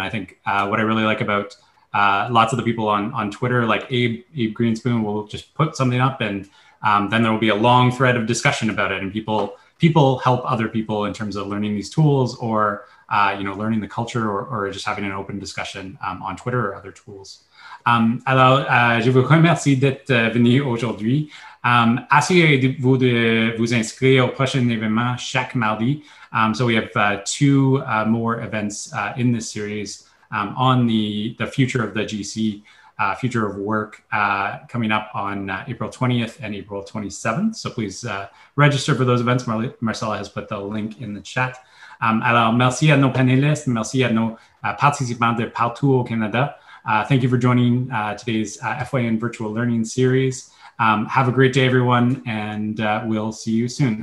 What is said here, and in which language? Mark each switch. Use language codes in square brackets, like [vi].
[en] I think what I really like about lots of the people on Twitter, like Abe Greenspoon, will just put something up, and then there will be a long thread of discussion about it, and people help other people in terms of learning these tools or you know, learning the culture or just having an open discussion on Twitter or other tools. [fr] Alors, je vous remercie d'être venu aujourd'hui. Assurez-vous de vous inscrire au prochain événement chaque mardi. [en] So we have two more events in this series on the future of the GC, future of work, coming up on April 20th and April 27th. So please register for those events. Marcella has put the link in the chat. [fr] Alors, merci à nos panélistes, merci à nos participants de partout au Canada. [en] Thank you for joining today's FYN Virtual Learning Series. Have a great day, everyone, and we'll see you soon.